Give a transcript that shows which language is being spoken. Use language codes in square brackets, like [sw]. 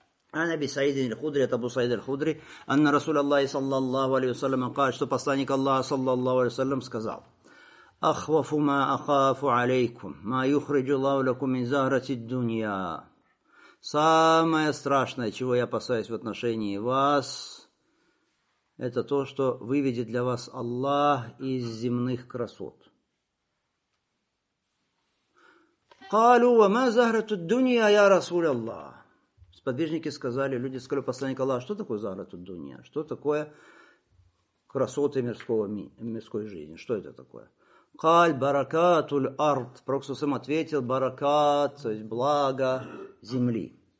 [ru] Ана би Саидин аль-Худри, это Абу Саид аль-Худри, Анна Расуляллахи саллаллаху алейхи ва саллям, что посланник Аллаха саллаллаху алейхи ва саллям сказал: [ar] أخوف ما أخاف عليكم ما يخرج الله لكم من زهرة الدنيا. [ru] Самое страшное, чего я опасаюсь в отношении вас, это то, что выведет для вас Аллах из земных красот. [ar] قالوا وما زهرة الدنيا يا رسول الله. [ru] Сподвижники сказали, люди сказали посланник Аллаха, что такое [ar] زهرة الدنيا, [ru] что такое красоты мирской жизни, что это такое? [ar] Каль баракатуль арт. [ru] Проксусом ответил, баракат, то есть благо земли.